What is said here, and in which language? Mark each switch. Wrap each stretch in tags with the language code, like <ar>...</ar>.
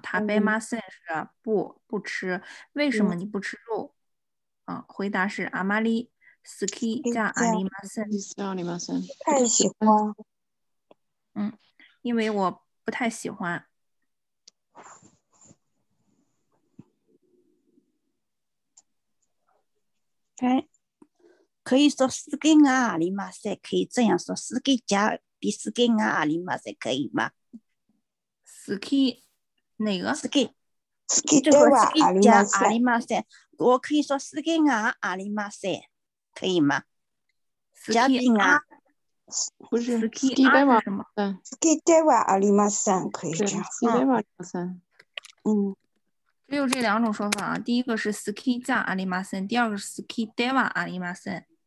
<ja>食べません</ja> <zh>是不吃，为什么你不吃肉？啊，回答是</zh> <ja>あまり好きじゃありません。ありません。</ja> <zh>太喜欢。嗯，因为我不太喜欢。哎，可以说</zh> <ja>好きがありません，</ja> <zh>可以这样说</zh> <ja>好きじゃ。好きがありません</ja> <zh>可以吗？</zh> <ja>好き</ja> <zh>哪个？</zh> <ja>好き好きではありません。</ja> <zh>我可以说</zh> <ja>好きがありません</ja> <zh>可以吗？</zh> <ja>好きが</ja> <zh>不是</zh> <ja>好きではありません。好きではありません</ja> <zh>可以这样。</zh> <ja>好きではありません。嗯，</ja> <zh>只有这两种说法啊。第一个是</zh> <ja>好きじゃありません，</ja> <zh>第二个是</zh> <ja>好きではありません。</ja>